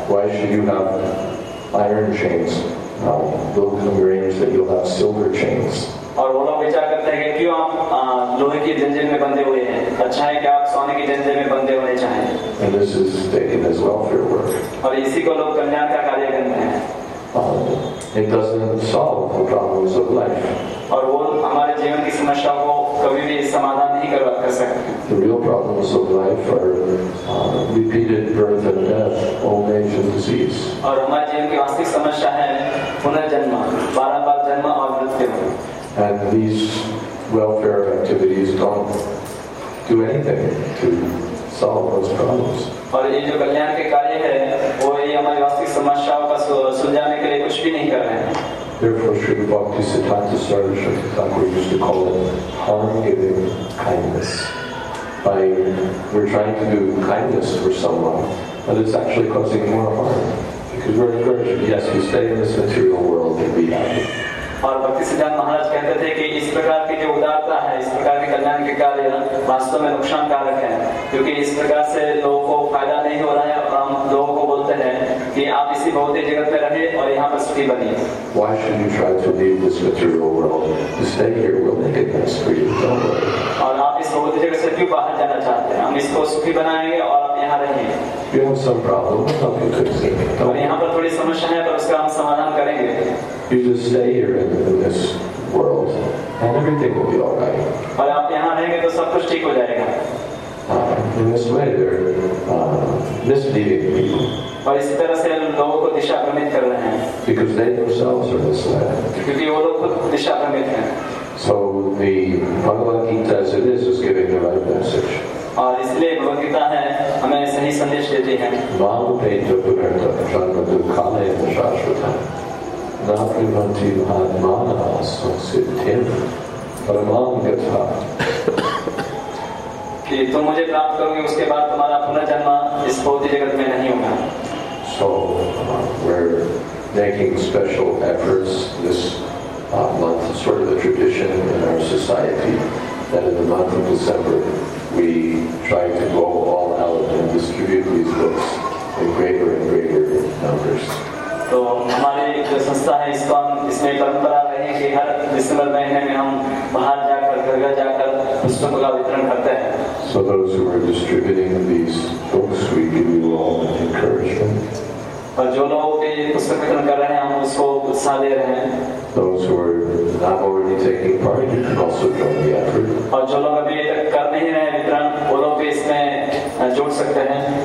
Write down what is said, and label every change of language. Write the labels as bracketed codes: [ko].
[en] Why should you have iron chains? Those who arrange that you'll have silver chains. [hi] और वो लोग विचार करते हैं कि आप लोहे की जंजीर में बंधे हुए हैं, अच्छा है कि आप सोने की जंजीर में बंधे होने चाहें। [en] And this is taken as welfare work. [hi] और इसी को लोग कल्याण का कार्य करते हैं। [en] It doesn't solve the problems of life. [hi] और वो हमारे जीवन की समस्या को कभी भी समाधान नहीं कर सकते। [en] The real problems of life are repeated birth and death, old age and disease. [hi] और हमारे जीवन की वास्तविक समस्या है पुनर्जन्म, बारंबार जन्म और मृत्यु। [en] And these welfare activities don't do anything to solve those problems. [hi] और ये जो कल्याण के कार्य है वो ये हमारी वास्तविक समस्याओं का सुलझाने के लिए कुछ भी नहीं कर रहे हैं। [en] Therefore, Sri Bhakti Siddhanta Saraswati Thakur used to call it harm-giving kindness. We're trying to do kindness for someone, but it's actually causing more harm. Because we're encouraging, yes, we stay in this material world and be happy. [hi] और भक्ति सिद्धांत महाराज कहते थे कि इस प्रकार की जो उदारता है, इस प्रकार के कल्याण के कार्य वास्तव में नुकसानकारक है, क्योंकि इस प्रकार से लोगों को फायदा नहीं हो रहा है और हम लोगों को बोलते हैं कि आप इसी भौतिक जगत में रहे और यहाँ पर सुखी बनिए। [en] Why should you try to leave this material world? Stay here, we'll make it nice for you. Don't worry. [hi] और आप इस भौतिक जगत से क्यों बाहर जाना चाहते हैं? हम इसको सुखी बनाएंगे और आप यहाँ रहेंगे। [en] You have some problem, something to see. [hi] और यहाँ पर थोड़ी समस्या है पर उसका हम समाधान करेंगे। [en] You just stay here in this world and everything will be all right. [hi] और आप यहाँ रहेंगे तो सब कुछ ठीक हो जाएगा। [en] In this way, they're misleading people. [hi] और इस तरह से लोगों को दिशा भ्रमित कर रहे हैं। [en] Because they themselves are misled. [hi] क्योंकि वो लोग खुद दिशा भ्रमित हैं। [en] So the Bhagavad Gita as it is giving the right message. [hi] और इसलिए भगवद गीता है हमें सही संदेश देती है। [sa] वाम पे जो पुरंत जन्म दुखाले शाश्वत है। नाप्रि भन्ति महात्मानः स्वसिद्धिं परमां गत्वा। [hi] कि तुम मुझे प्राप्त करोगे उसके बाद तुम्हारा पुनर्जन्म इस भौतिक जगत में नहीं होगा। [en] So we're making special efforts this month, sort of a tradition in our society, that in the month of December we try to go all out and distribute these books in greater and greater numbers. [hi] So हमारी जो संस्था है इसको हम इसमें परंपरा रहे हैं कि हर दिसंबर महीने में हम बाहर जाकर घर घर जाकर पुस्तकों का वितरण करते हैं। [en] So those who are distributing these books, we give you all an encouragement. [hi] और जो लोग के पुस्तक वितरण कर रहे हैं हम उसको उत्साह दे रहे हैं। [en] Those who are not already taking part, you can also join the effort. [hi] और जो लोग अभी तक कर नहीं रहे वितरण वो लोग भी इसमें जुड़ सकते हैं।